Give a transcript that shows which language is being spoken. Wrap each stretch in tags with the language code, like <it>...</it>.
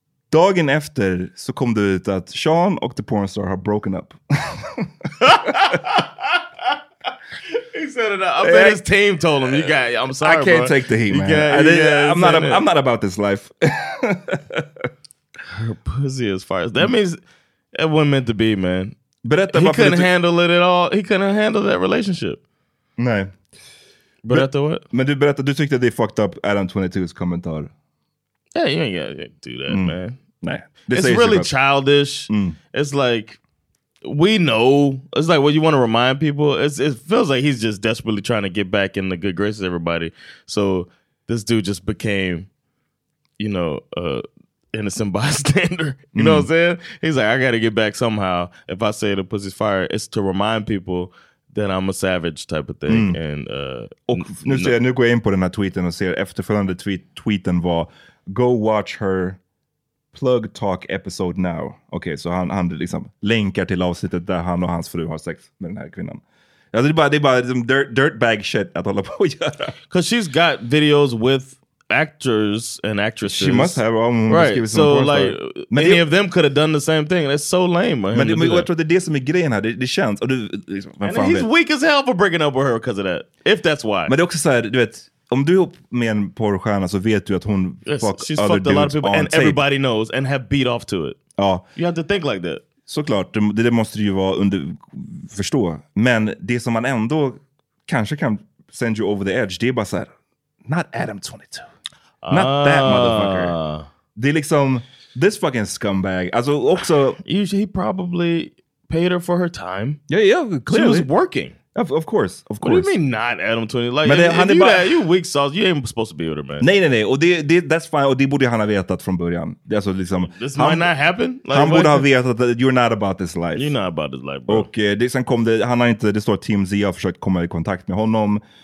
<sv>Dagen efter så kom det ut att Sean och</sv> <en>the porn star</en> <sv>har</sv> <en>broken up. I bet his team told him, "You got. I'm sorry, I can't bro. Take the heat, man. I'm not about this life." Her pussy is fire. That means it wasn't meant to be, man. But he couldn't handle it at all. He couldn't handle that relationship.</en> <sv>Nej. Berätta</sv> <en>what?</en> <sv>Men du berättade, du tyckte det</sv> <en>fucked up</en> <sv>Adam22's kommentar.</sv> <en>Yeah, you ain't gotta do that, man.</en> <sv>Nej.</sv> <en>It's really childish. It's like, we know, it's like, what you want to remind people, it feels like he's just desperately trying to get back in the good graces of everybody. So this dude just became, you know, innocent bystander. You know what I'm saying? He's like, I got to get back somehow. If I say the pussy's fire, it's to remind people that I'm a savage type of thing.</en> <sv>Nu går jag in på den här tweeten och ser efterföljande tweeten var,</sv> <en>go watch her plug talk episode now.</en> <sv>Okay, så han liksom länkar till avsnittet där han och hans fru har sex med den här kvinnan. Alltså det är bara liksom</sv> <en>dirtbag shit</en> <sv>att hålla på att göra.</sv> <en>Cause she's got videos with actors and actresses. She must have. Right, so like any of them could have done the same thing. That's so lame.</en> <sv>Men jag tror det är det som är grejen här. Det känns.</sv> <en>And he's weak as hell for breaking up with her because of that. If that's why.</en> <sv>Men det är också så här, du vet, om du är ihop med en porrstjärna så vet du att hon</sv> <en>fucked a lot of people and everybody knows and have beat off to it.</en> <sv>Ja.</sv> <en>You have to think like that.</en> <sv>Såklart, det måste ju vara under förstå. Men det som man ändå kanske kan</sv> <en>send you over the edge,</en> <sv>det är bara så här,</sv> <en>not Adam 22. Not that motherfucker.</en> <sv>Det är liksom</sv> <en>this fucking scumbag.</en> <sv>Alltså också</sv> <en>usually he probably paid her for her time. Yeah, clearly. She was working. Of course. What do you mean not Adam 20? Like,</en> <sv>men</sv> <en>you weak sauce. You ain't supposed to be with her, man.</en> <sv>Nej. Och</sv> <en>that's fine.</en> <sv>Och det borde han ha vetat från början. Alltså, liksom,</sv> <en>this might not happen. Like,</en> <sv>han borde ha vetat</sv> <en>that you're not about this life. You're not about this life, bro.</en> <sv>Och det, sen kom det, han har inte, det står Team Z har försökt komma i kontakt med honom.</sv>